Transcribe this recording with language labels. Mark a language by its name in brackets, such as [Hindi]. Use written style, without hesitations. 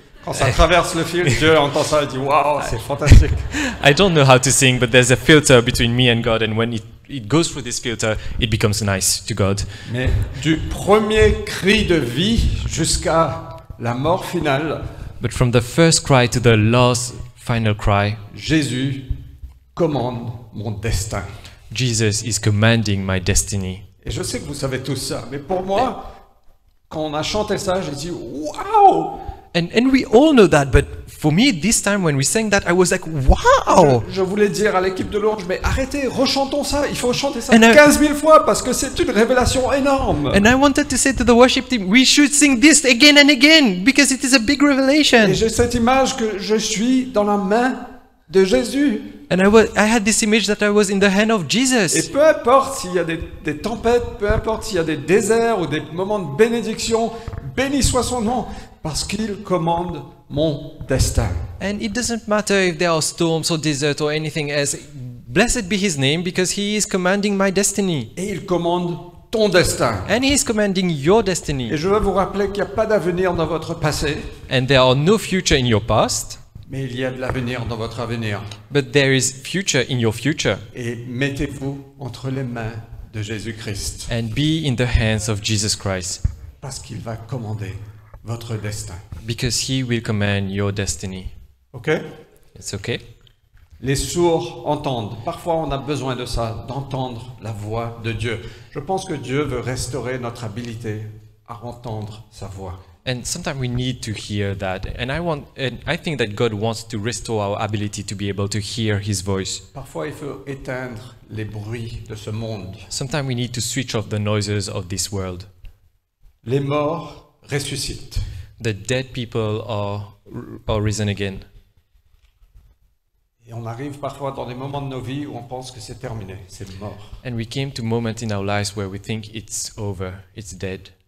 [French] Quand ça traverse le filtre, Dieu entend ça et dit, wow, c'est fantastique. [English] I don't know how to sing, but there's a filter between me and God, and when it goes through this filter, it becomes nice to God. [French] Mais du premier cri de vie jusqu'à la mort finale. [English] But from the first cry to the last final cry. [French] Jésus commande mon destin. [English] Jesus is commanding my destiny. [French] Et je sais que vous savez tout ça, mais pour moi, quand on a chanté ça, j'ai dit, waouh! [English] And we all know that, but for me, this time when we sang that, I was like, wow! [French] Je voulais dire à l'équipe de Lourdes, mais arrêtez, rechantons ça, il faut chanter ça 15,000 fois parce que c'est une révélation énorme. [English] And I wanted to say to the worship team, we should sing this again and again because it is a big revelation. [French] Et j'ai cette image que je suis dans la main de Jésus. [English] And I had this image that I was in the hand of Jesus. [French] Et peu importe s'il y a des tempêtes, peu importe s'il y a des déserts ou des moments de bénédiction, béni soit son nom, parce qu'il commande mon destin. [English] And it doesn't matter if there are storms or deserts or anything else. Blessed be his name because he is commanding my destiny. [French] Et il commande ton destin. [English] And he is commanding your destiny. [French] Et je veux vous rappeler qu'il n'y a pas d'avenir dans votre passé. [English] And there are no future in your past. [French] Mais il y a de l'avenir dans votre avenir. [English] But there is future in your future. [French] Et mettez-vous entre les mains de Jésus-Christ. [English] And be in the hands of Jesus Christ. [French] Parce qu'il va commander votre destin. [English] Because he will command your destiny. Okay? It's okay. [French] Les sourds entendent. Parfois on a besoin de ça, d'entendre la voix de Dieu. Je pense que Dieu veut restaurer notre habilité à entendre sa voix. [English] And sometimes we need to hear that. And I think that God wants to restore our ability to be able to hear his voice. [French] Parfois il faut éteindre les bruits de ce monde. [English] Sometimes we need to switch off the noises of this world. [French] Les morts ressuscite. [English] The dead people are risen again. [French] Et on arrive parfois dans des moments de nos vies où on pense que c'est terminé, c'est mort. [English] And we came to moments in our lives where we think it's over, it's dead.